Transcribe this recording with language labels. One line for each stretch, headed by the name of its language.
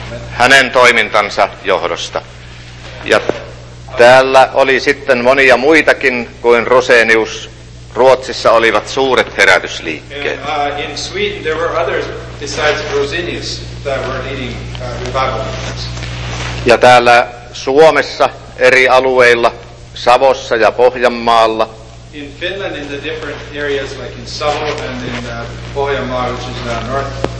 Finnish: Hänen toimintansa johdosta. Ja täällä oli sitten monia muitakin kuin Rosenius. Ruotsissa olivat suuret herätysliikkeet.
English: In Sweden there were others besides Rosenius that were leading revival movements.
Finnish: Ja täällä Suomessa eri alueilla, Savossa ja Pohjanmaalla.
English: In Finland in the different areas like in Savo and in Pohjanmaa, which is now north.